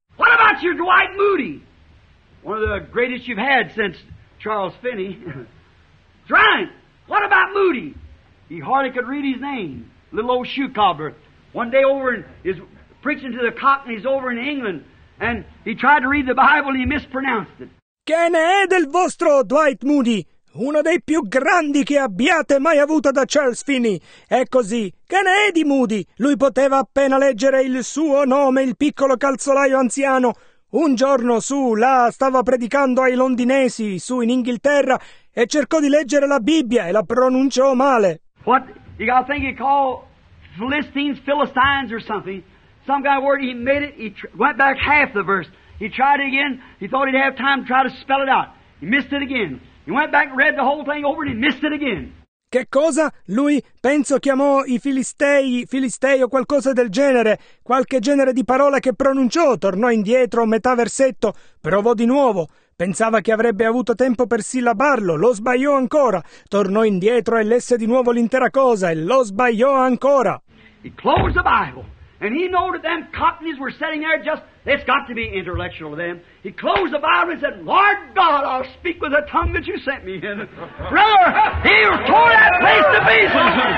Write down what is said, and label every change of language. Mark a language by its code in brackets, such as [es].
[en] What about your Dwight Moody? One of the greatest you've had since Charles Finney. Drunk! What about Moody? He hardly could read his name. Little old shoe cobbler. One day over in, is preaching to the Cockneys over in England. And he tried to read the Bible and he mispronounced it. [it] Che ne è del vostro Dwight Moody? Uno dei più grandi che abbiate mai avuto da Charles Finney. È così. Che ne è di Moody? Lui poteva appena leggere il suo nome, il piccolo calzolaio anziano. Un giorno su, là, stava predicando ai londinesi, su in Inghilterra, e cercò di leggere la Bibbia e la pronunciò male. [en] What? I think he called Philistines, Philistines or something. Some guy word, he made it, he went back half the verse. He tried it again, he thought he'd have time to try to spell it out. He missed it again. He went back and read the whole thing over and he missed it again. [it] Che cosa? Lui, penso, chiamò i Filistei, Filistei o qualcosa del genere, qualche genere di parola che pronunciò, tornò indietro metà versetto, provò di nuovo. Pensava che avrebbe avuto tempo per sillabarlo, lo sbagliò ancora. Tornò indietro e lesse di nuovo l'intera cosa e lo sbagliò ancora. [en] He closed the Bible. And he knew that them Cockneys were sitting there just, it's got to be intellectual to them. He closed the Bible and said, Lord God, I'll speak with the tongue that you sent me in. Brother, he tore that place to pieces.